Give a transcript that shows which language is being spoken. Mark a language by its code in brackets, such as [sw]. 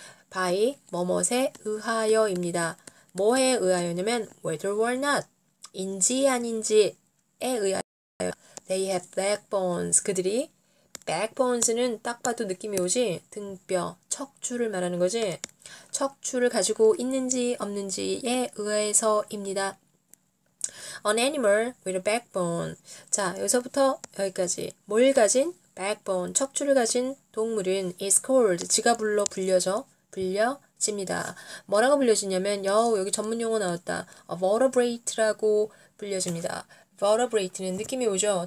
[ko] by 뭐뭇에 의하여입니다. 뭐에 의하여냐면 [en] whether or not [ko] 인지 아닌지에 의하여. [en] They have backbones. [ko] 그들이 backbones는 딱 봐도 느낌이 오지? 등뼈, 척추를 말하는 거지. 척추를 가지고 있는지 없는지에 의해서입니다. [en] An animal with a backbone. [ko] 자, 여기서부터 여기까지 뭘 가진? backbone, 척추를 가진 동물은 [en] is called [ko] 지가 불러 불려져. 불려집니다. 뭐라고 불려지냐면, 여우, 여기 전문 용어 나왔다. vertebrate라고 불려집니다. vertebrate는 느낌이 오죠?